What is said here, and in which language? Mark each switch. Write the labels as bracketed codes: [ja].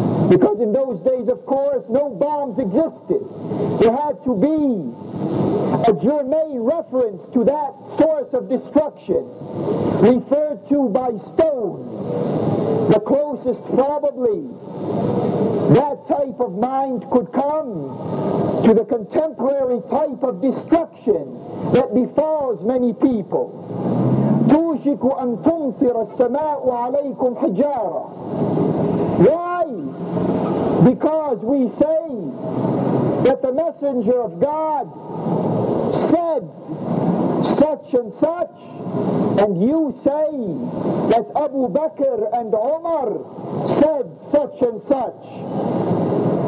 [en] Because in those days, of course, no bombs existed. There had to be a germane reference to that source of destruction, referred to by stones. The closest, probably, that type of mind could come to the contemporary type of destruction that befalls many people. [ar] تُوشِكُ أَن تُمْطِرَ السَّمَاءُ عَلَيْكُمْ حِجَارَةً [en] Why? Because we say that the Messenger of God said such and such, and you say that Abu Bakr and Umar said such and such.